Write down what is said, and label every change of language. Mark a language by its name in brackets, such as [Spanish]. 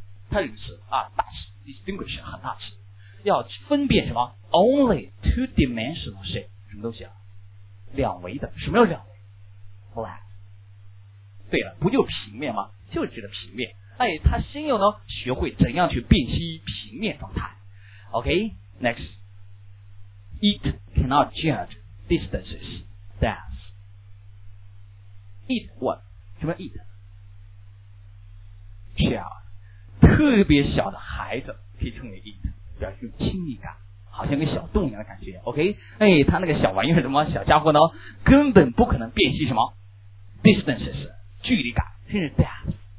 [Chinese] 它有词啊，大词 distinguish 很大词。要分辨什么 ？ [English] Only two dimensional shape， [Chinese] 什么东西啊？两维的，什么叫两维 ？Flat。对了，不就平面吗？就指的平面。哎，他先要呢学会怎样去辨析平面状态。 [English] OK，next、okay?。 It cannot judge distances that's it what [Chinese] 什么 [English] it？ [Chinese] 小，特别小的孩子可以称为 it。表示亲密感，好像跟小动物一样的感觉。 OK， 哎，他那个小玩意儿什么小家伙呢，根本不可能辨析什么 distances 距离感，甚至 depth。